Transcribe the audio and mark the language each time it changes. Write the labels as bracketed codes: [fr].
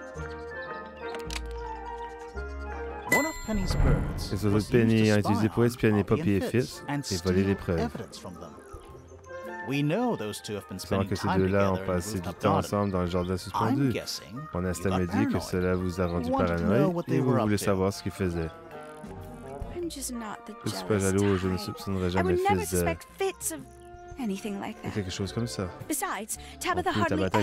[en] One of Penny's birds. [fr] Et ce que Penny a utilisé pour espionner Poppy et Fitz et voler les preuves. [en] We know those two have been spending time together. [fr] Là, on passe du temps ensemble dans le jardin suspendu. On a estimé que cela vous a rendu paranoïaque et vous voulez savoir ce qu'ils faisaient. Je ne suis pas jaloux, je ne soupçonnerai jamais Fitz de quelque chose comme ça. [en] Besides, Tabitha